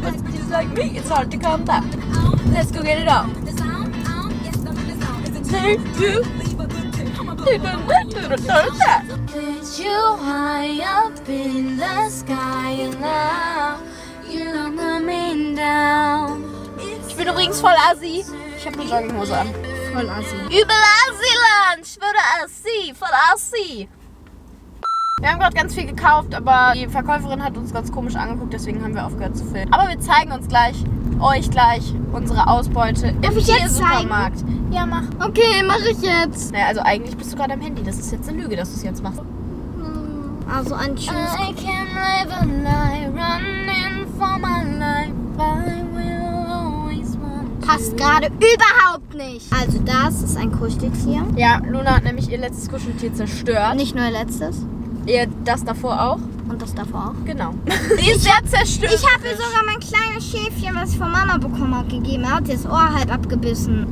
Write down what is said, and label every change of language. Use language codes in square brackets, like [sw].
[en] But it's like me, it's hard to come back. Let's go get it all. The sound, it's the sound. It's you high up in the sky now. You're not coming down. [de] Ich bin übrigens voll assi. Ich hab eine Jogginghose an. Übel Asiland, schwöre Assi, voll Assi. Wir haben gerade ganz viel gekauft, aber die Verkäuferin hat uns ganz komisch angeguckt, deswegen haben wir aufgehört zu filmen. Aber wir zeigen uns gleich, euch gleich, unsere Ausbeute im Tiersupermarkt. Ja, mach. Okay, mach ich jetzt. Naja, also eigentlich bist du gerade am Handy, das ist jetzt eine Lüge, dass du es jetzt machst. Also ein Tschüss. [en] I can live a lie, running for my life, I will always want to. [de] Passt gerade überhaupt nicht. Also das ist ein Kuscheltier. Ja, Luna hat nämlich ihr letztes Kuscheltier zerstört. Nicht nur ihr letztes. Ihr das davor auch. Und das davor auch? Genau. Die ist sehr zerstört. Ich habe sogar mein kleines Schäfchen, was ich von Mama bekommen habe, gegeben. Er hat das Ohr halb abgebissen.